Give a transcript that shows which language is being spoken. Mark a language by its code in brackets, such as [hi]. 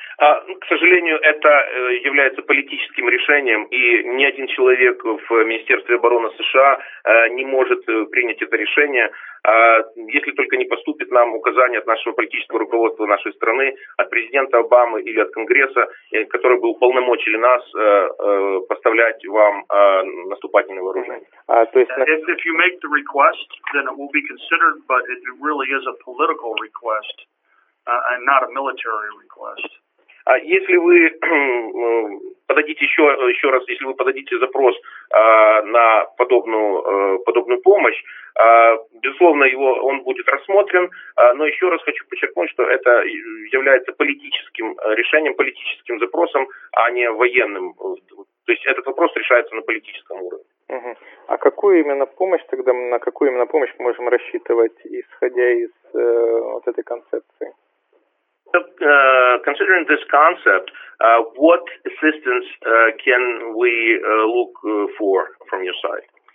[ru] К сожалению, это является политическим решением, и ни один человек в Министерстве обороны США не может принять это решение, если только не поступит нам указание от нашего политического руководства нашей страны, от президента Обамы или от Конгресса, которые бы уполномочили нас поставлять вам наступательное вооружение. [en] If you make the request, then it will be considered, but it really is a political request. And not a military request. [ru] Если вы подадите еще раз, если вы подадите запрос на подобную помощь, безусловно, он будет рассмотрен, но еще раз хочу подчеркнуть, что это является политическим решением, политическим запросом, а не военным. То есть этот вопрос решается на политическом уровне. А какую именно помощь тогда, на какую именно помощь мы можем рассчитывать, исходя из вот этой концепции? [en] Considering this concept, what assistance can we look for from your side?